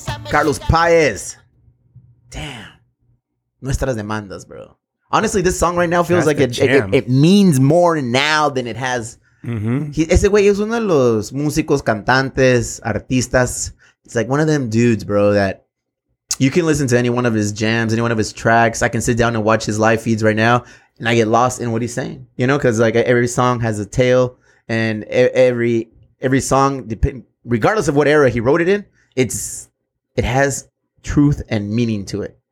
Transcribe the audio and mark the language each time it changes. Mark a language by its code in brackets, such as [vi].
[es] Carlos Paez. Damn. Nuestras demandas, bro. [en] Honestly, this song right now feels it means more now than it has. Mm-hmm. [es] Ese güey es uno de los músicos, cantantes, artistas. [en] It's like one of them dudes, bro, that you can listen to any one of his jams, any one of his tracks. I can sit down and watch his live feeds right now, and I get lost in what he's saying. You know, because like every song has a tale, and every song, regardless of what era he wrote it in, it has truth and meaning to it.